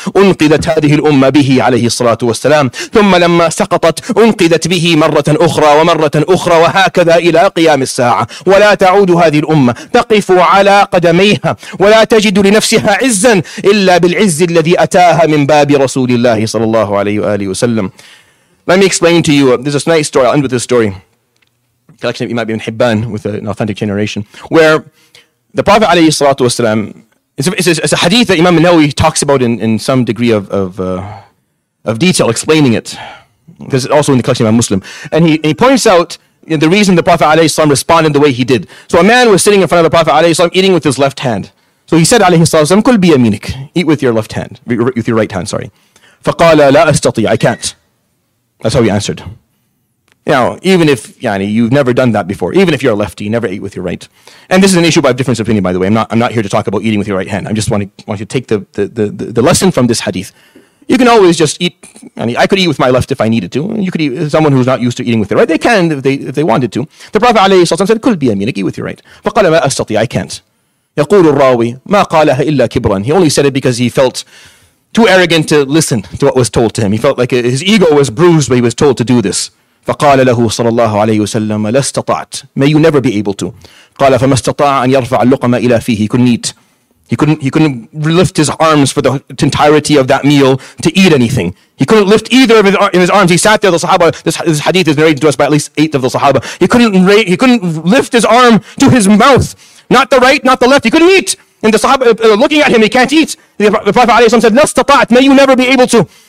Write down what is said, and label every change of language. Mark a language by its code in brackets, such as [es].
[ar] أنقذت هذه الأمة به عليه الصلاة والسلام، ثم لما سقطت أنقذت به مرة أخرى ومرة أخرى، وهكذا إلى قيام الساعة. ولا تعود هذه الأمة تقف على قدميها، ولا تجد لنفسها عزا إلا بالعز الذي أتاها من باب رسول الله صلى الله عليه وآله وسلم. [en] Let me explain to you, there's a nice story, I'll end with this story. Collection of Imam Ibn Hibban with an authentic narration, where the Prophet [ar] عليه الصلاة والسلام, [en] it's a hadith that Imam Nawawi talks about in some degree of detail explaining it. This is also in the collection of a Muslim. And he points out, you know, the reason the Prophet ﷺ responded the way he did. So a man was sitting in front of the Prophet ﷺ eating with his left hand. So he said, ﷺ, [ar] kul bi yaminik, [en] eat with your left hand, with your right hand, sorry. [ar] فَقَالَ لَا أَسْتَطِي, [en] I can't. That's how he answered. Now, even if, يعني, you've never done that before, even if you're a lefty, you never ate with your right. And this is an issue by difference of opinion, by the way. I'm not here to talk about eating with your right hand. I just want to take the lesson from this hadith. You can always just eat. I could eat with my left if I needed to. You could eat, someone who's not used to eating with their right, they can if they wanted to. The Prophet [ar] عليه الصلاة والسلام [en] said, "Could be a minute, eat with your right." [ar] فَقَالَ مَا أَسْتَطِي, [en] I can't. [ar] يَقُولُ الرَّاوِي مَا قَالَهَا إِلَّا كِبْرًا. [en] He only said it because he felt too arrogant to listen to what was told to him. He felt like his ego was bruised when he was told to do this. [ar] فَقَالَ لَهُ صَلَى اللَّهُ عَلَيْهِ وَسَلَّمَ لَاسْتَطَعْتَ, [en] may you never be able to. [ar] قَالَ فَمَا اسْتَطَاعَ أَنْ يَرْفَعَ اللُّقْمَ إِلَى فِيهِ, [en] he couldn't eat. He couldn't lift his arms for the entirety of that meal to eat anything. He couldn't lift either of his arms. He sat there, the Sahaba, this hadith is narrated to us by at least 8 of the Sahaba. He couldn't lift his arm to his mouth. Not the right, not the left. He couldn't eat. And the Sahaba, looking at him, he can't eat. The Prophet ﷺ said, [ar] "Nastata'at, [en] may you never be able to."